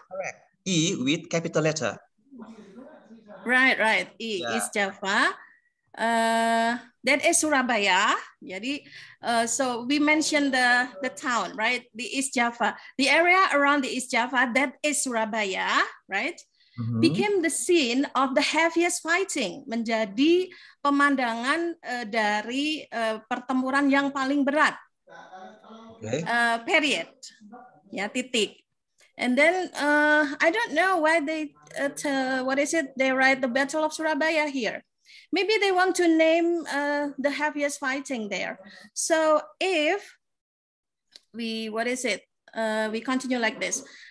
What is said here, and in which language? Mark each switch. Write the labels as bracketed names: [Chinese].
[English] Correct. E with capital letter. Right, right. E yeah. East Java. That is Surabaya. Jadi, so we mentioned the town, right? The East Java, the area around the East Java, that is Surabaya, right? Mm-hmm. Became the scene of the heaviest fighting, [Indonesian] menjadi pemandangan dari pertempuran yang paling berat. [English] Okay. Period. [Indonesian] Ya, titik. [English] And then I don't know why they what is it? They write the Battle of Surabaya here. Maybe they want to name the heaviest fighting there. So if we, what is it? We continue like this.